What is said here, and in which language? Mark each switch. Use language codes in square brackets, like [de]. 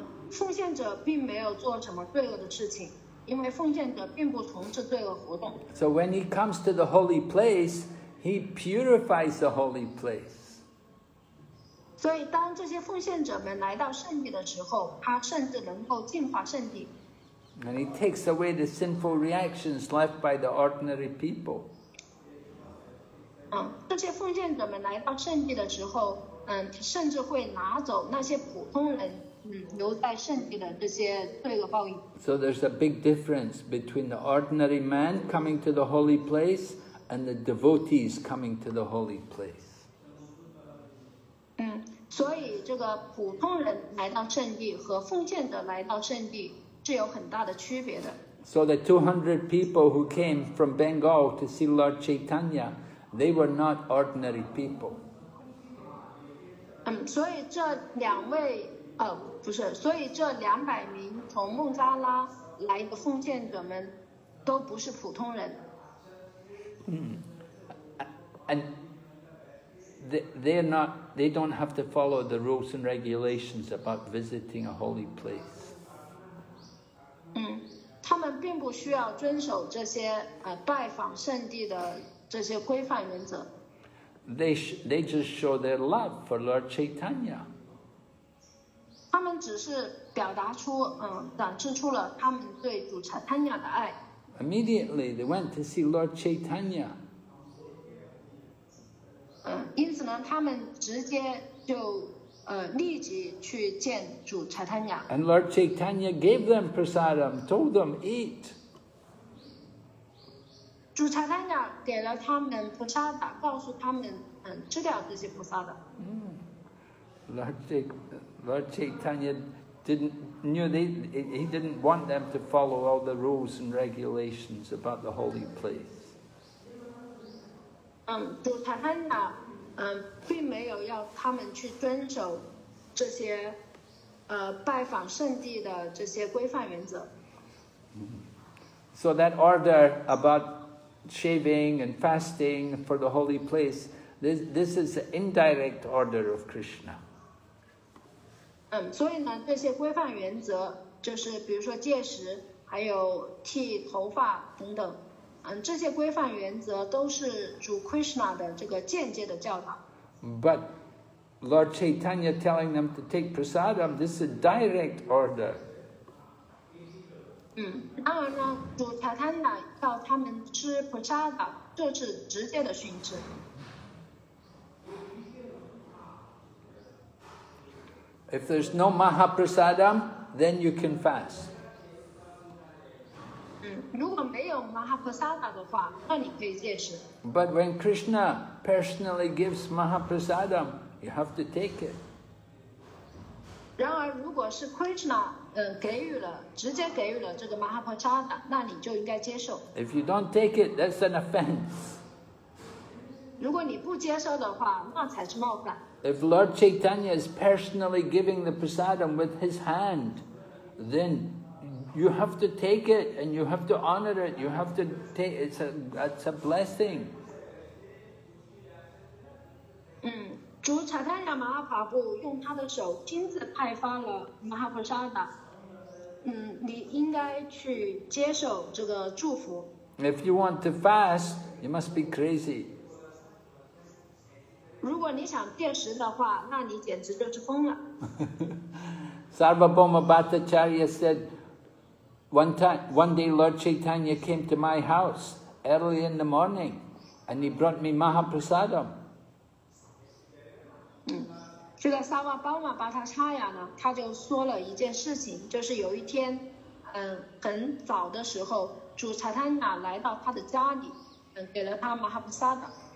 [zh] 奉献者并没有做什么罪恶的事情，因为奉献者并不从事罪恶活动。 [en] So when he comes to the holy place,He purifies the holy place. [zh] 所以当这些奉献者们来到圣地的时候，他甚至能够净化圣地。 [en] And he takes away the sinful reactions left by the ordinary people. [zh] 这些奉献者们来到圣地的时候，甚至会拿走那些普通人留在圣地的这些罪恶报应。 [en] So there's a big difference between the ordinary man coming to the holy place and the devotees coming to the holy place. [zh] 所以这个普通人来到圣地和奉献者来到圣地是有很大的区别的。 [en] So the 200 people who came from Bengal to see Lord Chaitanya, they were not ordinary people. [zh] 所以这两位不是，所以这两百名从孟加拉来的奉献者们都不是普通人。 [en] And they don't have to follow the rules and regulations about visiting a holy place. [zh] 他们并不需要遵守这些拜访圣地的这些规范原则。 [en] They just show their love for Lord Chaitanya. [zh] 他们只是表达出展示出了他们对主财坦雅的爱。 [en] Immediately, they went to see Lord Chaitanya. [zh] 因此呢，他们直接就立即去见主财坦雅。 [en] And Lord Chaitanya gave them prasadam, told them, eat. [zh] 主财坦雅给了他们菩萨达，告诉他们吃掉这些菩萨达。 [en] Lord Chaitanya he didn't want them to follow all the rules and regulations about the holy place. [zh] 主财坦雅并没有要他们去遵守这些拜访圣地的这些规范原则。 [en] So that order about shaving and fasting for the holy place, this is the indirect order of Krishna. [zh] 所以呢，这些规范原则就是，比如说戒食，还有剃头发等等，这些规范原则都是主 Krishna 的这个间接的教导。 [en] But Lord Chaitanya telling them to take prasadam, this is a direct order. [zh] 当然呢，主财坦雅要他们吃 prasadam, 这是直接的训斥。 [en] If there's no Mahaprasadam, then you can fast. [zh] 如果没有 Mahaprasada 的话，那你可以戒食。 [en] But when Krishna personally gives Mahaprasadam, you have to take it. [zh] 然而，如果是 Krishna 给予了，直接给予了这个 Mahaprasada， 那你就应该接受。 [en] If you don't take it, that's an offense. [zh] 如果你不接受的话，那才是冒犯。 [en] If Lord Chaitanya is personally giving the prasadam with his hand, then you have to take it and you have to honor it. You have to take it. It's a blessing. [zh] 主财坦雅马哈帕布用他的手亲自派发了马哈普沙达。你应该去接受这个祝福。 [en] If you want to fast, you must be crazy. [zh] 如果你想戒食的话，那你简直就是疯了。 [en] Sarvabhauma Bhattacharya said, one day Lord Chaitanya came to my house early in the morning, and he brought me Mahaprasadam. [zh] 这个 Sarvabhauma Bhattacharya 呢，他就说了一件事情，就是有一天，很早的时候，主财坦雅来到他的家里，给了他 Mahaprasadam。